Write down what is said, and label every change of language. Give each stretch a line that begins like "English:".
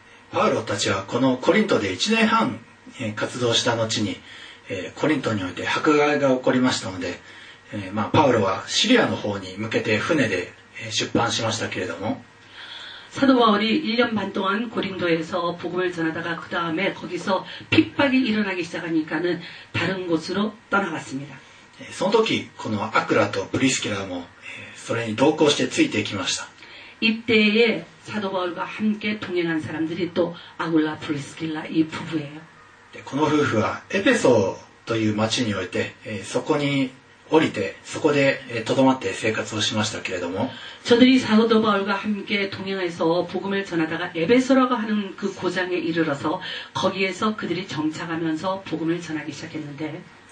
Japanese: 바울たちはこのコリントで1年半活動した後にコリントにおいて迫害が起こりましたので、まあ、パウロはシリアの方に向けて船で出版しましたけれども
Korean: 사도바울이1년반동안고린도에서복음을전하다가그다음에거기서핍박이일어나기시작하니까는다른곳으로떠나갔습니다
Japanese: その時このアクラとプリスキラもそれに同行してついていきました
Korean: 이때에사도바울과함께동행한사람들이또아굴라프리스킬라이부부예요
Japanese: この夫婦はエペソという町においてそこに降りてそこで留まって生活をしましたけれども
Korean: 저들이사도바울과함께동행해서복음을전하다가에베소라고하는그고장에이르러서거기에서그들이정착하면서복음을전하기시작했는데